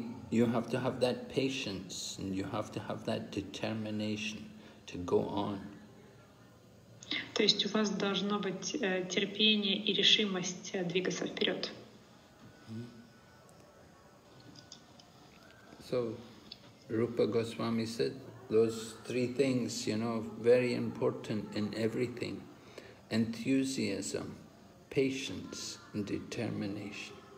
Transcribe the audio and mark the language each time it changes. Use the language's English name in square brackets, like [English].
[English] You have to have that patience, and you have to have that determination to go on. [Russian] То есть у вас должно быть терпение и решимость двигаться вперед. [English] So, Rupa Goswami said those three things, you know, very important in everything: enthusiasm, patience and determination.